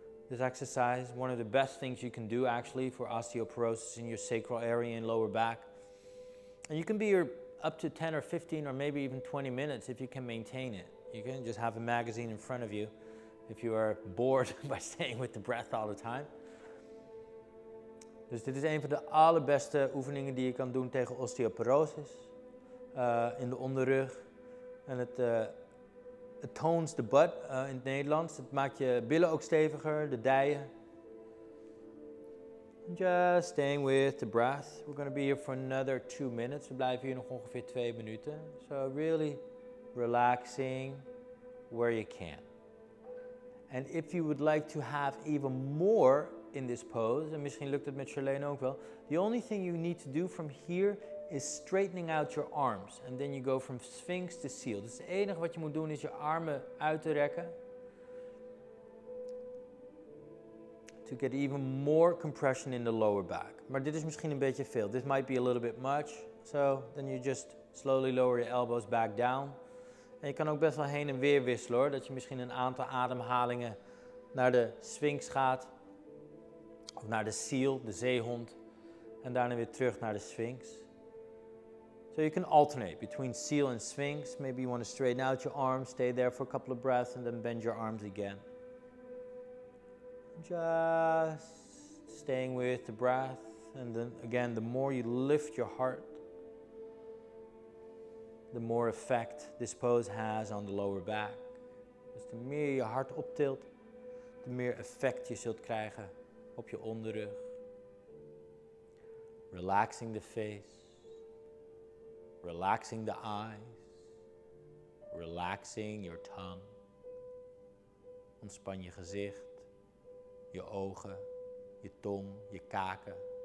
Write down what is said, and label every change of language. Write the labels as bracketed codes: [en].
[en] This exercise, one of the best things you can do actually for osteoporosis in your sacral area and lower back. And you can be here up to 10 or 15 or maybe even 20 minutes if you can maintain it. You can just have a magazine in front of you if you are bored by staying with the breath all the time. [nl] Dus dit is een van de allerbeste oefeningen die je kan doen tegen osteoporosis in de onderrug. En het [en] tones the butt [nl] in het Nederlands. Het maakt je billen ook steviger, de dijen. [en] Just staying with the breath. We're going to be here for another 2 minutes. [nl] We blijven hier nog ongeveer 2 minuten. [en] So really relaxing where you can. And if you would like to have even more in this pose, and [nl] misschien lukt het met Charlene ook wel, [en] the only thing you need to do from here is straightening out your arms. And then you go from sphinx to seal. [nl] Dus het enige wat je moet doen is je armen uit te rekken. [en] To get even more compression in the lower back. [nl] Maar dit is misschien een beetje veel. [en] This might be a little bit much. So then you just slowly lower your elbows back down. [nl] En je kan ook best wel heen en weer wisselen hoor. Dat je misschien een aantal ademhalingen naar de sphinx gaat. Of naar de seal, de zeehond. En daarna weer terug naar de sphinx. [en] So you can alternate between seal and sphinx. Maybe you want to straighten out your arms. Stay there for a couple of breaths and then bend your arms again. Just staying with the breath. And then again, the more you lift your heart, the more effect this pose has on the lower back. [nl] Dus the meer je hart optilt, the meer effect je zult krijgen op je onderrug. [en] Relaxing the face. Relaxing the eyes. Relaxing your tongue. [nl] Ontspan je gezicht. Je ogen. Je tong. Je kaken.